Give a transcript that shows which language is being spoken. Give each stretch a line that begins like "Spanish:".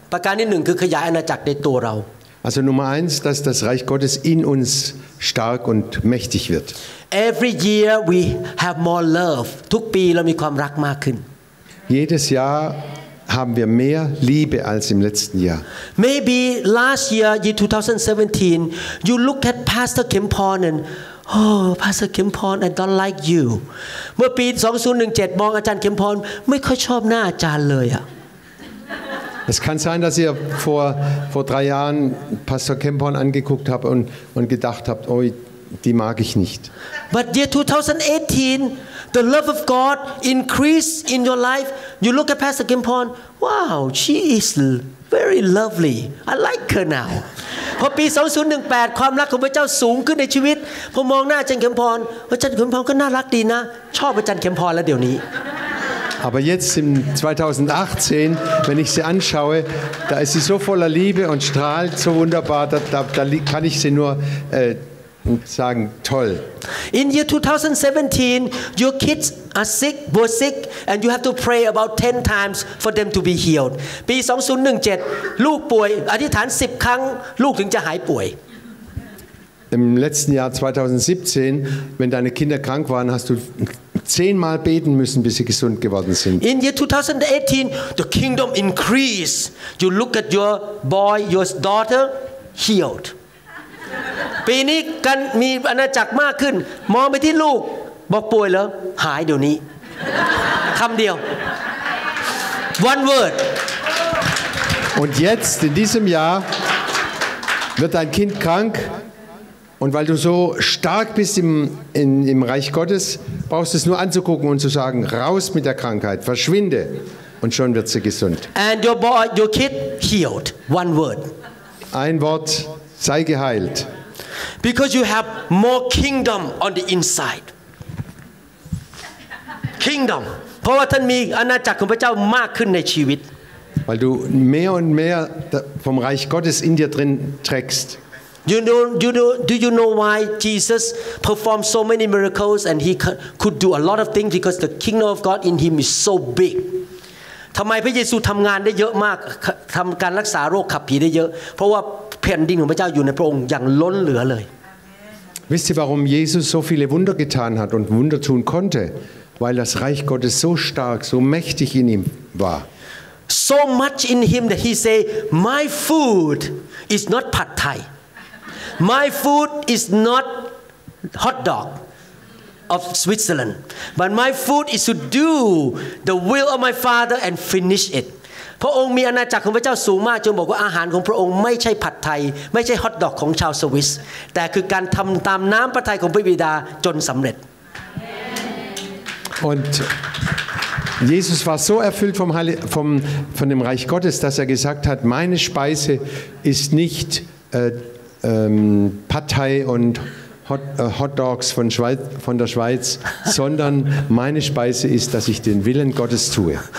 Thai: ประการที่หนึ่งคือขยายอาณาจักรในตัวเรา
German: Also Nummer eins, dass das Reich Gottes in uns stark und mächtig wird.
English: Every year we have more love.
Thai: ทุกปีเรามีความรักมากขึ้น
German: Jedes Jahr haben wir mehr Liebe als im letzten Jahr.
English: Maybe last year, 2017, you look at Pastor Kim Porn and oh, Pastor Kim Porn, I don't like you.
Thai: เมื่อปี2017มองอาจารย์ Kim Porn ไม่ค่อยชอบหน้าอาจารย์เลยอ่ะ
German: Es kann sein, dass ihr vor drei Jahren Pastor Kim Porn angeguckt habt und gedacht habt, oh, die mag ich nicht.
English: But year 2018, the love of God increased in your life. You look at Pastor Kim Porn, wow, she is very lovely. I like her now.
Thai: พอปี2018ความรักของพระเจ้าสูงขึ้นในชีวิตผมมองหน้าอาจารย์ Kim Porn อาจารย์ Kim Porn ก็น่ารักดีนะชอบอาจารย์ Kim Porn แล้วเดี๋ยวนี้
German: Aber jetzt im 2018, wenn ich sie anschaue, da ist sie so voller Liebe und strahlt so wunderbar, da kann ich sie nur sagen, toll.
English: In year 2017, your kids are sick, were sick, and you have to pray about 10 times for them to be healed.
Thai: ปี2017, ลูกป่วยอธิษฐาน 10 ครั้งลูกถึงจะหายป่วย
German: Im letzten Jahr 2017, wenn deine Kinder krank waren, hast du 10-mal beten müssen, bis sie gesund geworden sind.
English: In year 2018, the kingdom increased. You look at your boy, your daughter, healed.
Thai: ปีนี้กันมีอาณาจักรมากขึ้นมองไปที่ลูกบอกป่วยเหรอหายเดี๋ยวนี้คำเดียว
English: One word.
German: Und jetzt, in diesem Jahr, wird dein Kind krank. Und weil du so stark bist im Reich Gottes, brauchst du es nur anzugucken und zu sagen, raus mit der Krankheit, verschwinde. Und schon wird sie gesund.
English: And your boy, your kid healed. One word.
German: Ein Wort, sei geheilt.
English: Because you have more kingdom on the inside. Kingdom.
German: Weil du mehr und mehr vom Reich Gottes in dir drin trägst.
English: Do you know why Jesus performed so many miracles and he could do a lot of things because the kingdom of God in him is so big?
Thai: ทำไมพระเยซูทำงานได้เยอะมากทำการรักษาโรคขับผีได้เยอะเพราะว่าแผ่นดินของพระเจ้าอยู่ในพระองค์อย่างล้นเหลือเลย
German: Wisst ihr, warum Jesus so viele Wunder getan hat und Wunder tun konnte? Weil das Reich Gottes so stark, so mächtig in ihm war.
English: So much in him that he say, "My food is not Pad Thai." My food is not hot dog of Switzerland, but my food is to do the will of my Father and finish it.
Thai: พระองค์มีอาณาจักรของพระเจ้าสูงมากจนบอกว่าอาหารของพระองค์ไม่ใช่ผัดไทยไม่ใช่ฮอทดอกของชาวสวิสแต่คือการทำตามน้ำพระทัยของพระบิดาจนสำเร็จ
German: Und Jesus war so erfüllt von dem Reich Gottes, dass er gesagt hat: Meine Speise ist nichtPad Thai und Hot Dogs von der Schweiz, sondern meine Speise ist, dass ich den Willen Gottes tue.